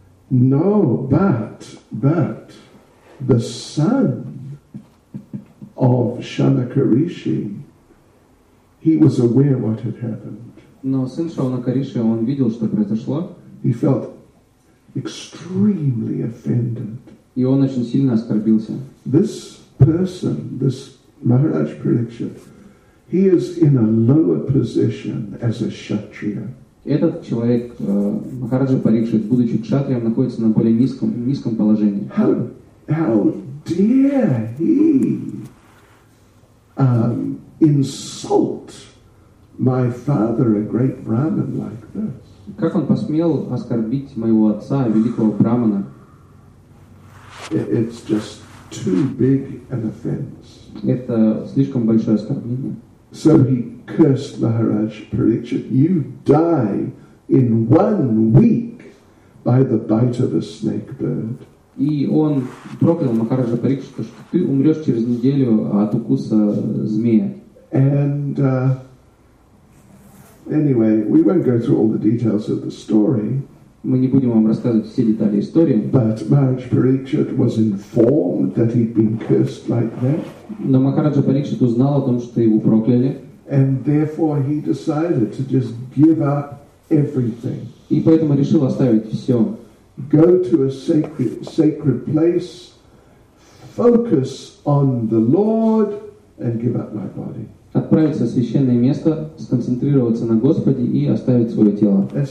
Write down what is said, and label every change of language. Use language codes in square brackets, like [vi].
[en] No, but the son of Shanaka Rishi, he was aware what had happened. [ru] Но сын Шанака Риши, он видел, что произошло. [en] He felt extremely offended. [ru] И он очень сильно оскорбился. [en] This person, this Maharaj Pariksit, he is in a lower position as a kshatriya. [ru] Этот человек, Махараджа Парикшит, будучи кшатрием, находится на более низком положении. [en] How dare he insult my father, a great brahmin, like this? [ru] Как он посмел оскорбить моего отца, великого брахмана? [en] It's just too big an offense. [ru] Это слишком большое оскорбление. [en] So he cursed Maharaj Parikshit. You die in 1 week by the bite of a snake bird. [ru] И он проклял Махараджа Парикшита, что ты умрешь через неделю от укуса змея. [en] And anyway, we won't go through all the details of the story. [ru] Мы не будем вам рассказывать все детали истории. [en] But Maharaj Parikshit was informed that he'd been cursed like that. [ru] Но Махараджа Парикшит узнал о том, что его прокляли. [en] And therefore he decided to just give up everything. [ru] И поэтому решил оставить все. [en] Go to a sacred place, focus on the Lord, and give up my body. [ru] Отправиться в священное место, сконцентрироваться на Господе и оставить свое тело.